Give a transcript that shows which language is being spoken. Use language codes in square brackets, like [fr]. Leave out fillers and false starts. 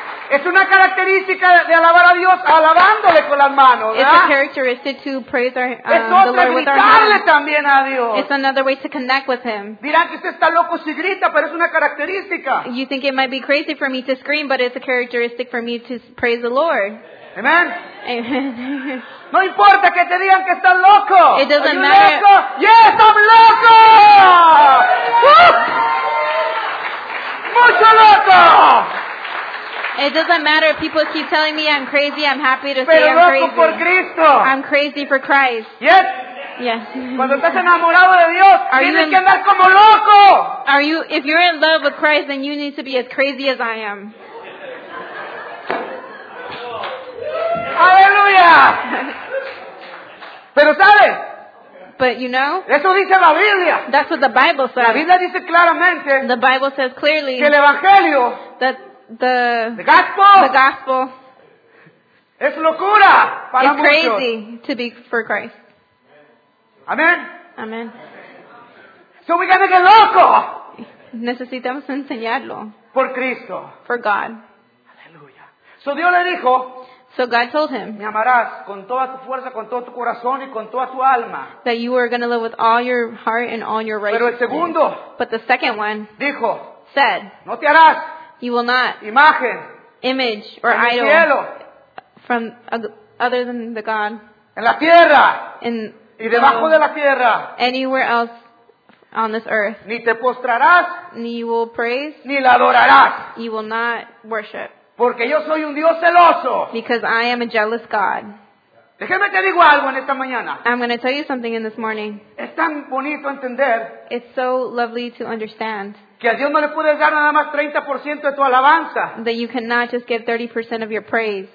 [es] Es una característica de alabar a Dios alabándole con las manos, ¿verdad? [en] It's a characteristic to praise our, the Lord with our hands. [es] Es otra gritarle también a Dios. [en] It's another way to connect with Him. [es] Dirán que usted está loco si grita, pero es una característica. [en] You think it might be crazy for me to scream, but it's a characteristic for me to praise the Lord. Amen. Amen. [es] No importa que te digan que estás loco. [en] It doesn't matter. Loco? Yes, I'm loco. [es] Mucho loco. [en] It doesn't matter if people keep telling me I'm crazy. I'm happy to [es] Pero [en] say I'm crazy. [es] Por Cristo. [en] I'm crazy for Christ. Yes. Yes. [es] Cuando estás enamorado de Dios, are tienes que andar como loco. [en] Are you? If you're in love with Christ, then you need to be as crazy as I am. [es] Aleluya. Pero sabes. [en] But you know. [es] Eso dice la Biblia. [en] That's what the Bible says. [es] La Biblia dice claramente. [en] The Bible says clearly. [es] Que el evangelio. [en] That the gospel. The gospel. [es] Es locura para muchos. [en] Crazy to be for Christ. Amen. Amen. So we gotta get loco. [es] Necesitamos enseñarlo. Por Cristo. [en] For God. [es] Aleluya. So Dios le dijo. [en] So God told him. [es] Me amarás con toda tu fuerza, con todo tu corazón y con toda tu alma. [en] That you are gonna love with all your heart and all your righteousness. [es] Pero el segundo. [en] But the second one. [es] Dijo. [en] Said. [es] No te harás. [en] You will not. [es] Imagen. [en] Image or [es] en [en] idol. [es] El cielo. [en] From other than the God. [es] En la tierra. [en] In [es] y debajo de la tierra. [en] Anywhere else on this earth. [es] Ni te postrarás. [en] Ni you will praise. [es] Ni la adorarás. [en] You will not worship. [es] Porque yo soy un Dios celoso. [en] Because I am a jealous God. [es] Déjeme te digo algo en esta mañana. [en] I'm going to tell you something in this morning. [es] Es tan bonito entender. [en] It's so lovely to understand. [es] Que a Dios no le puedes dar nada más 30% de tu alabanza. [en] That you cannot just give 30% of your praise.